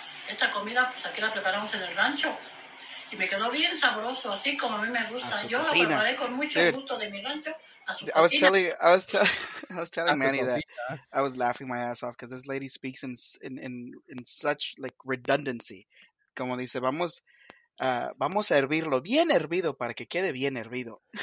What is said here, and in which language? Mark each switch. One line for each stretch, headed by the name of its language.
Spanish: Esta comida, pues aquí la preparamos en el rancho. Y me quedó bien sabroso, así como a mí me gusta. Yo lo preparé con mucho gusto de mi rancho.
English: I was telling Manny that I was laughing my ass off because this lady speaks in such like redundancy.
Spanish: Como dice, vamos a hervirlo bien hervido para que quede bien hervido.